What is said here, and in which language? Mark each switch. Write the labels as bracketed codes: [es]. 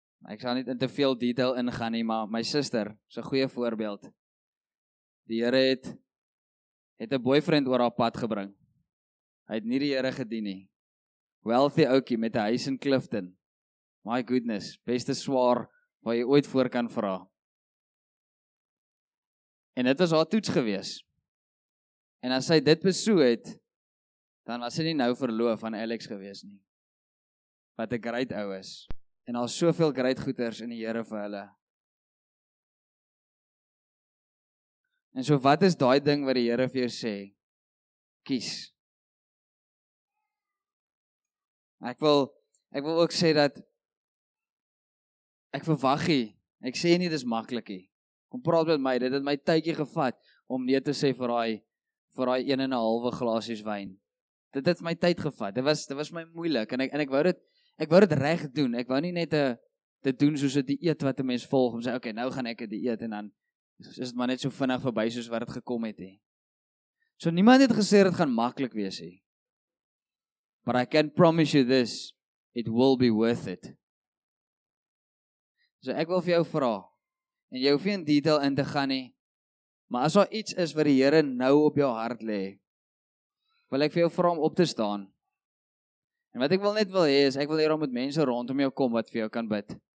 [af] Ek sal nie in te veel detail ingaan nie, maar my suster is 'n goeie voorbeeld. Die Here het 'n boyfriend oor haar pad gebring. Hy het nie die Here gedien nie. Wealthy ookie met 'n huis in Clifton. My goodness, beste swaar wat jy ooit voor kan vra. En dit was haar toets gewees. En as sy dit besoek het, dan was sy nie nou verloof aan Alex gewees nie. Wat 'n great ou is. En al soveel great goeders in die Here vir hulle. En so wat is daai ding wat die Here vir jou sê? Kies. Ek wil ook sê dat ek verwag nie. Ek sê nie dis maklik nie. Kom praat met my, dit het my tydjie gevat om nee te sê vir daai 1 en 'n halwe glasies wyn. Dit het my tyd gevat. Dit was my moeilik en ek wou dit reg doen. Ek wou nie net 'n te doen soos 'n dieet wat 'n mens volg om sê okay, nou gaan ek 'n dieet en dan is dit maar net so vinnig verby soos wat dit gekom het nie. So niemand het gesê dit gaan maklik wees nie. [en] But I can promise you this, it will be worth it. [af] So ek wil vir jou vra en jy hoef nie in detail in te gaan nie. Maar as daar iets is wat die Here nou op jou hart lê, wil ek vir jou vra om op te staan. En wat ek wil net wil hê is, ek wil hier om met mense rondom jou kom wat vir jou kan bid.